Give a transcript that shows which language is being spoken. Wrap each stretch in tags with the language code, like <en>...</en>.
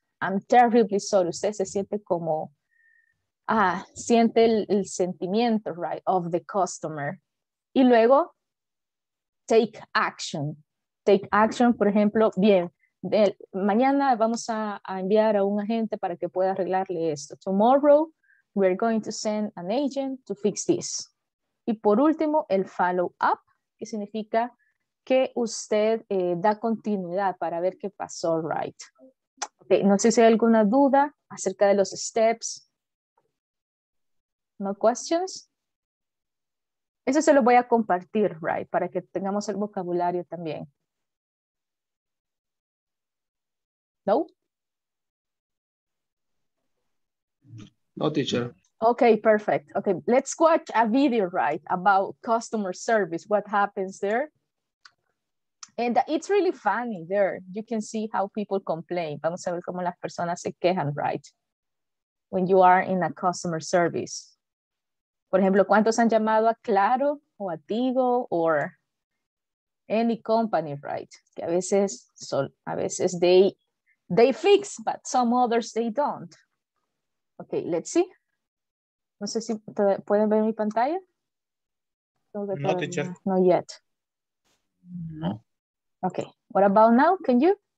<en>I'm terribly sorry.</en> <es>Usted se siente como, siente el sentimiento, right,</es> <en>of the customer.</en> <es>Y luego,</es> <en>take action. Take action,</en> <es>por ejemplo, bien, mañana vamos a enviar a un agente para que pueda arreglarle esto.</es> <en>Tomorrow, we're going to send an agent to fix this.</en> <es>Y por último, el follow up, que significa que usted da continuidad para ver qué pasó, right? Okay, no sé si hay alguna duda acerca de los steps.</es> <en>No questions.</en> <es>Eso se lo voy a compartir, right, para que tengamos el vocabulario también. No?</es> <en>No, teacher. Okay, perfect. Okay, let's watch a video, right, about customer service, what happens there. And it's really funny there. You can see how people complain.</en> <es>Vamos a ver cómo las personas se quejan, right?</es> <en>When you are in a customer service.</en> <es>Por ejemplo, ¿cuántos han llamado a Claro o a Tigo</es> <en>or any company,</en> <es>right? Que a veces,</es> <en>they fix, but some others they don't.</en> <es>Okay,</es> <en>let's see.</en> <es>No sé si pueden ver mi pantalla.</es> <en>No, teacher. Not yet. No. Okay, what about now? Can you?</en>